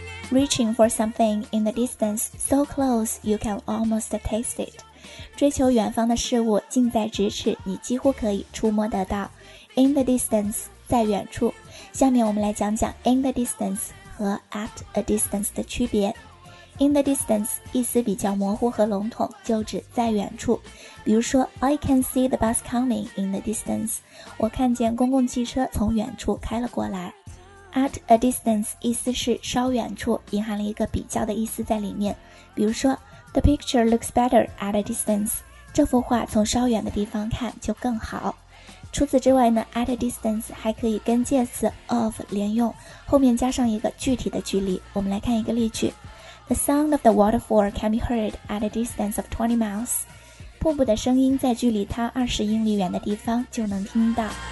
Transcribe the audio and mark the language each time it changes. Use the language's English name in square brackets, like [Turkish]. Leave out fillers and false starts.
[English] Reaching for something in the distance, so close you can almost taste it. [Chinese] 追求远方的事物近在咫尺，你几乎可以触摸得到。 In the distance, 在远处。 下面我们来讲讲 in the distance 和 at a distance 的区别。 In the distance, 意思比较模糊和笼统，就指在远处。比如说 , [English] I can see the bus coming in the distance. [Chinese] 我看见公共汽车从远处开了过来。 At a distance, 意思是稍远处，隐含了一个比较的意思在里面。比如说 , [English] The picture looks better at a distance. [Chinese] 这幅画从稍远的地方看就更好。除此之外呢 ,at a distance 还可以跟介词 of 连用，后面加上一个具体的距离。我们来看一个例句。 [English] The sound of the waterfall can be heard at a distance of 20 miles. [Chinese] 瀑布的声音在距离它20英里远的地方就能听到。